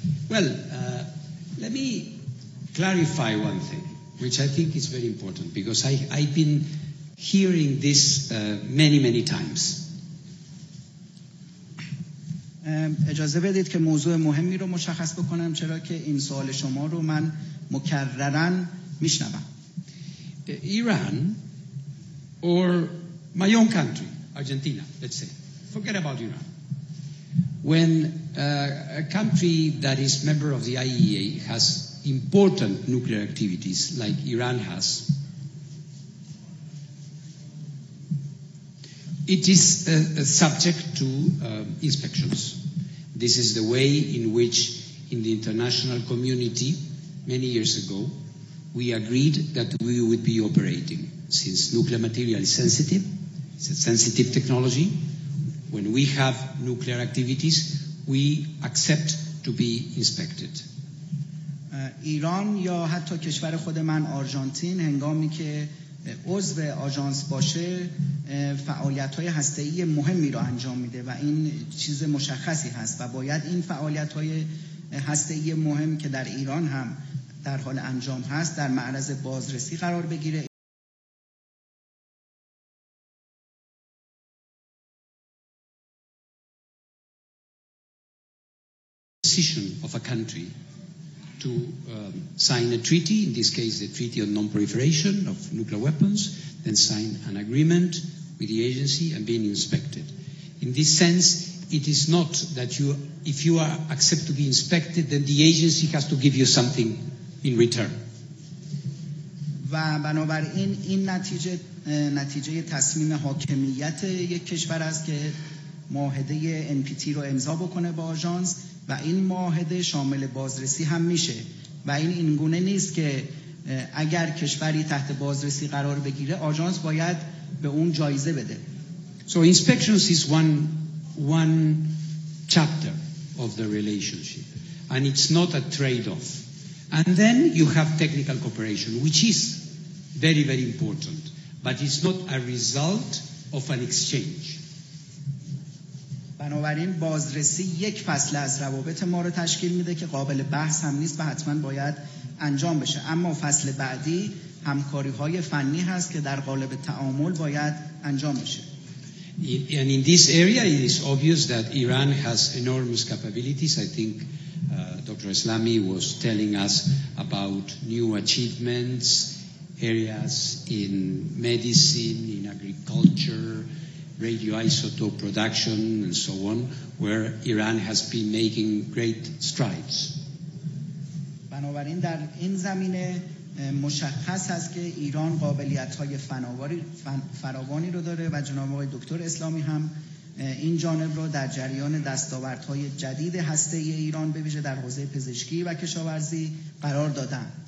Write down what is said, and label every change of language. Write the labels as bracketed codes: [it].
[en] Let me clarify one thing, which I think is very important, because I've been hearing this many, many times. [fa] اجازه بدید که موضوع مهمی رو مشخص بکنم، چرا که این سوال شما رو من مکررن میشنوم. [en] Iran, or my own country, Argentina, let's say, forget about Iran. When a country that is member of the IAEA has important nuclear activities like Iran has, it is subject to inspections. This is the way in which in the international community many years ago we agreed that we would be operating. Since nuclear material is sensitive, it's a sensitive technology, when we have nuclear activities, we accept to be inspected. [fa] Iran یا حتی کشور خود من آرژانتین، هنگامی که عضو آژانس باشه، فعالیت‌های هسته‌ای مهمی رو انجام میده و این چیز مشخصی هست و باید این فعالیت‌های هسته‌ای مهم که در ایران هم در حال انجام هست در معرض بازرسی قرار بگیره. [en] Decision of a country to sign a treaty, in this case the Treaty on Non-Proliferation of Nuclear Weapons, then sign an agreement with the agency and being inspected. In this sense, it is not that you, if you are accept to be inspected, then the agency has to give you something in return. [fa] و بنابراین این نتیجه تصمیم حاکمیت یک کشور است که معاهده NPT رو امضا بکنه با آژانس، و این معاهده شامل بازرسی هم میشه، و این اینگونه نیست که اگر کشوری تحت بازرسی قرار بگیره آژانس باید به اون جایزه بده. [en] So inspections is one chapter of the relationship, and it's not a trade-off. And then you have technical cooperation, which is very, very important, but it's not a result of an exchange. [fa] بنابراین بازرسی یک فصل از روابط ما رو تشکیل میده که قابل بحث هم نیست و حتما باید انجام بشه، اما فصل بعدی همکاری های فنی هست که در قالب تعامل باید انجام بشه. [en] And in this area it is obvious that Iran has enormous capabilities. I think Dr. Islami was telling us about new achievements, areas in medicine, in agriculture, radioisotope production, and so on, where Iran has been making great strides. [fa] بنابراین در این زمینه مشخص است که ایران قابلیت‌های فراوانی رو داره، و جناب آقای دکتر اسلامی هم این جانب رو در جریان دستاوردهای جدید هسته ای ایران به ویژه در حوزه پزشکی و کشاورزی قرار دادن.